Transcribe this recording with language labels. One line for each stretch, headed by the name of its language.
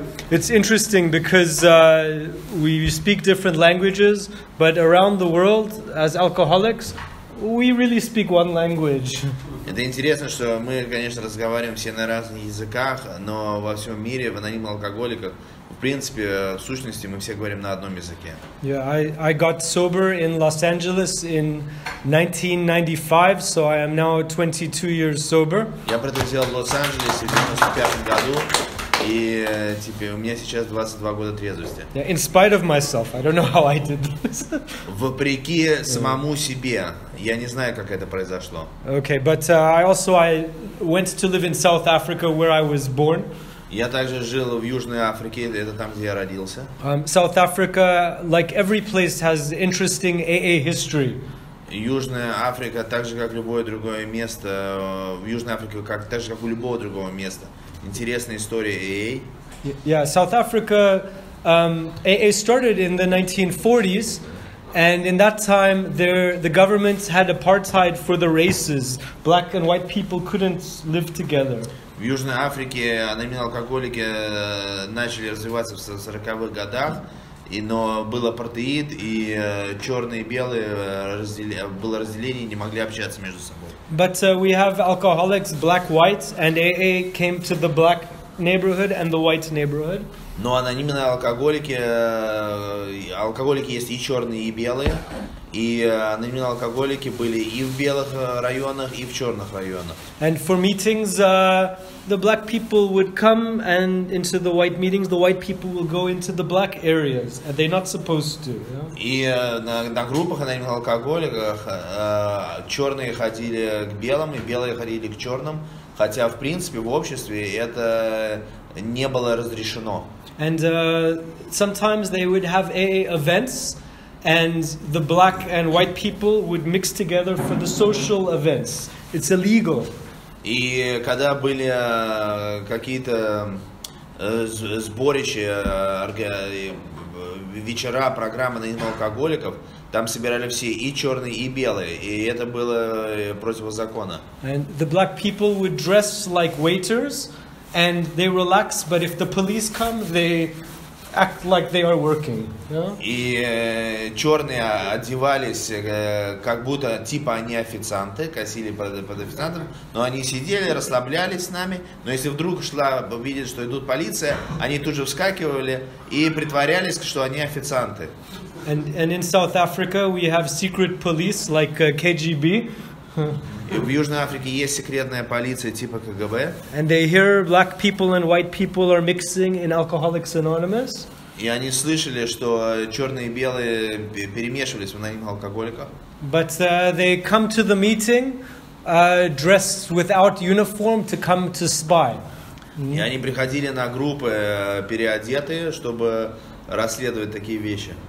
English: It's interesting because we speak different languages, but around the world, as alcoholics, we really speak one language.
Russian: Это интересно, что мы, конечно, разговариваем все на разных языках, но во всем мире, в анонимных алкоголиках, в принципе, в сущности, мы все говорим на одном языке.
English: Yeah, I got sober in Los Angeles in 1995, so I am now 22 years sober.
Russian: Я протрезвел в Лос-Анджелесе в 95 году, и теперь у меня сейчас 22 года трезвости.
English: Yeah, in spite of myself, I don't know how I did this.
Russian: Вопреки самому себе, я не знаю, как это произошло.
English: Okay, but I went to live in South Africa, where I was born.
Russian: Я также жил в Южной Африке, это там, где я родился.
English: South Africa, like every place, has interesting AA history.
Russian: Южная Африка, так же как любое другое место, в Южной Африке, как так же как у любого другого места, интересная история AA.
English: Yeah, South Africa, AA started in the 1940s, and in that time, the government had apartheid for the races. Black and white people couldn't live together.
Russian: В Южной Африке анонимные алкоголики начали развиваться в 40-х годах, но был апартеид, и черные и белые было разделение, не могли общаться между собой.
English: But we have alcoholics, black, white, and AA came to the black neighborhood and the white neighborhood.
Russian: Но анонимные алкоголики есть и черные, и белые. И анонимные алкоголики были и в белых районах, и в черных районах.
English: And for meetings, the black people would come and into the white meetings, the white people will go into the black areas, and they're not supposed to. You know?
Russian: И на группах анонимных алкоголиков черные ходили к белым, и белые ходили к черным, хотя в принципе в обществе это не было разрешено.
English: And sometimes they would have AA events. And the black and white people would mix together for the social events. It's illegal.
Russian: И когда были какие-то сборища, вечера, программы на алкоголиков, там собирали все и черные, и белые, и это было противозаконно.
English: And the black people would dress like waiters, and they relax. But if the police come, they act like they are working. Yeah?
Russian: И черные одевались как будто типа они официанты, косили под официантом, но они сидели, расслаблялись с нами, но если вдруг шла, увидели, что идут полиция, они тут же вскакивали и притворялись, что они официанты.
English: And in South Africa we have secret police like KGB.
Russian: И в Южной Африке есть секретная полиция типа КГБ.
English: And they hear black people and white people are mixing in Alcoholics Anonymous.
Russian: И они слышали, что черные и белые перемешивались в анонимных алкоголиках.
English: But they come to the meeting dressed without uniform to come to spy.
Russian: И они приходили на группы переодетые, чтобы расследовать такие вещи.